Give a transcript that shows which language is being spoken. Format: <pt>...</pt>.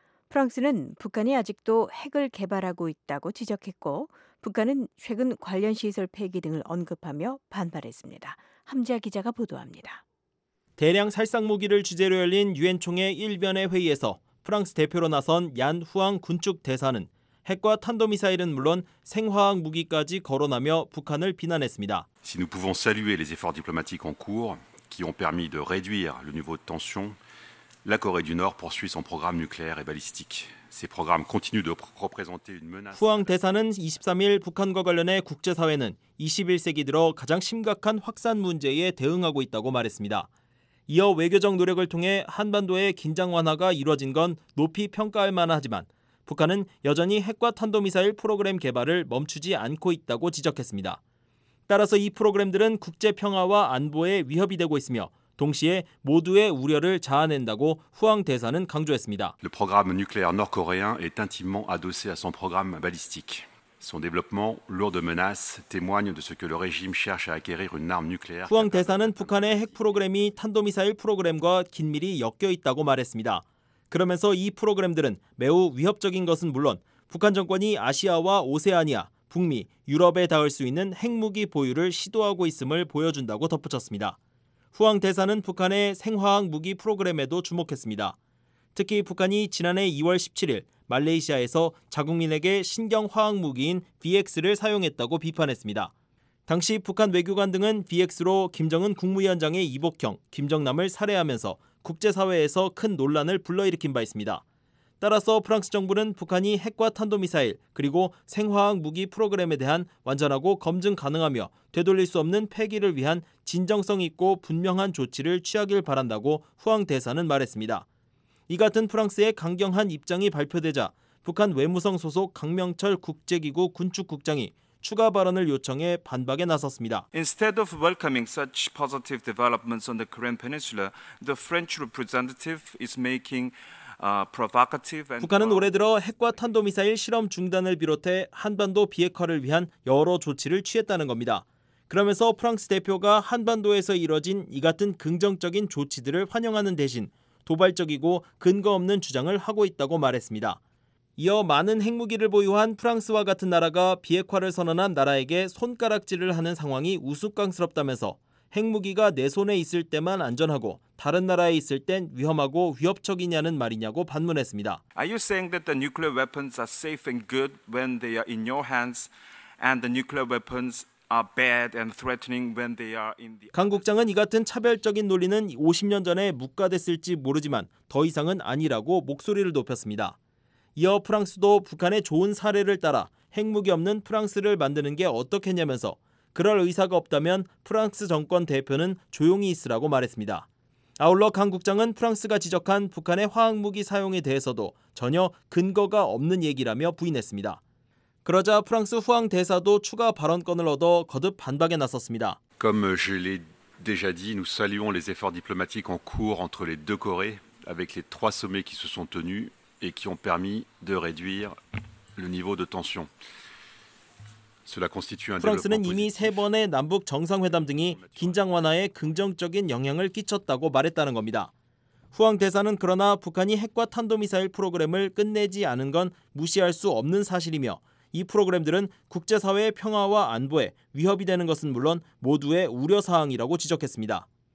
<ko>프랑스는 북한이 아직도 핵을 개발하고 있다고 지적했고 북한은 최근 관련 시설 폐기 등을 언급하며 반발했습니다. 함지아 기자가 보도합니다. 대량 살상 무기를 주제로 열린 유엔 총회 일변의 회의에서 프랑스 대표로 나선 얀 후앙 군축 대사는 핵과 탄도미사일은 물론 생화학 무기까지 거론하며 북한을 비난했습니다.</ko> <fr>Si nous pouvons saluer les efforts diplomatiques en cours qui ont permis de réduire le niveau de tension, la Corée du Nord poursuit son programme nucléaire et balistique. Ces programmes continuent de représenter une menace.</fr> <ko>후앙 대사는 23일 북한과 관련해 국제사회는 21세기 들어 가장 심각한 확산 문제에 대응하고 있다고 말했습니다. 이어 외교적 노력을 통해 한반도의 긴장 완화가 이루어진 건 높이 평가할 만하지만 북한은 여전히 핵과 탄도미사일 프로그램 개발을 멈추지 않고 있다고 지적했습니다. 따라서 이 프로그램들은 국제 평화와 안보에 위협이 되고 있으며 동시에 모두의 우려를 자아낸다고 후앙 대사는 강조했습니다.</ko> <fr>Le programme nucléaire nord-coréen est intimement adossé à son programme balistique. Son développement lourd de menaces témoigne de ce que le régime cherche à acquérir une arme nucléaire.</fr> <ko>후앙 대사는 북한의 핵 프로그램이 탄도미사일 프로그램과 긴밀히 엮여 있다고 말했습니다. 그러면서 이 프로그램들은 매우 위협적인 것은 물론 북한 정권이 아시아와 오세아니아, 북미, 유럽에 닿을 수 있는 핵무기 보유를 시도하고 있음을 보여준다고 덧붙였습니다. 후앙 대사는 북한의 생화학 무기 프로그램에도 주목했습니다. 특히 북한이 지난해 2월 17일 말레이시아에서 자국민에게 신경화학 무기인 VX를 사용했다고 비판했습니다. 당시 북한 외교관 등은 VX로 김정은 국무위원장의 이복형, 김정남을 살해하면서 국제사회에서 큰 논란을 불러일으킨 바 있습니다. 따라서 프랑스 정부는 북한이 핵과 탄도미사일 그리고 생화학 무기 프로그램에 대한 완전하고 검증 가능하며 되돌릴 수 없는 폐기를 위한 진정성 있고 분명한 조치를 취하길 바란다고 후앙 대사는 말했습니다. 이 같은 프랑스의 강경한 입장이 발표되자 북한 외무성 소속 강명철 국제기구 군축국장이 추가 발언을 요청해 반박에 나섰습니다.</ko> <en>Instead of welcoming such positive developments on the Korean Peninsula, the French representative is making provocative and</en> <ko>북한은 올해 들어 핵과 탄도미사일 실험 중단을 비롯해 한반도 비핵화를 위한 여러 조치를 취했다는 겁니다. 그러면서 프랑스 대표가 한반도에서 이뤄진 이 같은 긍정적인 조치들을 환영하는 대신 도발적이고 근거 없는 주장을 하고 있다고 말했습니다. 이어 많은 핵무기를 보유한 프랑스와 같은 나라가 비핵화를 선언한 나라에게 손가락질을 하는 상황이 우스꽝스럽다면서 핵무기가 내 손에 있을 때만 안전하고 다른 나라에 있을 땐 위험하고 위협적이냐는 말이냐고 반문했습니다.</ko> <en>Are you saying that the nuclear weapons are safe and good when they are in your hands and the nuclear weapons are bad and threatening when they are in the</en> <ko>강 국장은 이 같은 차별적인 논리는 50년 전에 묵과됐을지 모르지만 더 이상은 아니라고 목소리를 높였습니다. 이어 프랑스도 북한의 좋은 사례를 따라 핵무기 없는 프랑스를 만드는 게 어떻겠냐면서 그럴 의사가 없다면 프랑스 정권 대표는 조용히 있으라고 말했습니다. 아울러 강 국장은 프랑스가 지적한 북한의 화학무기 사용에 대해서도 전혀 근거가 없는 얘기라며 부인했습니다. 그러자 프랑스 후앙 대사도 추가 발언권을 얻어 거듭 반박에 나섰습니다.</ko> <fr>Comme je l'ai déjà dit, nous saluons les efforts diplomatiques en cours entre les deux Corées avec les trois sommets qui se sont tenus et qui ont permis de réduire le niveau de tension. Cela constitue un développement positif.</fr> <ko>프랑스는 이미 세 번의 남북 정상회담 등이 긴장 완화에 긍정적인 영향을 끼쳤다고 말했다는 겁니다. 후앙 대사는 그러나 북한이 핵과 탄도미사일 프로그램을 끝내지 않은 건 무시할 수 없는 사실이며 이 프로그램들은 국제사회의 평화와 안보에 위협이 되는 것은 물론 모두의 우려사항이라고 지적했습니다.</ko>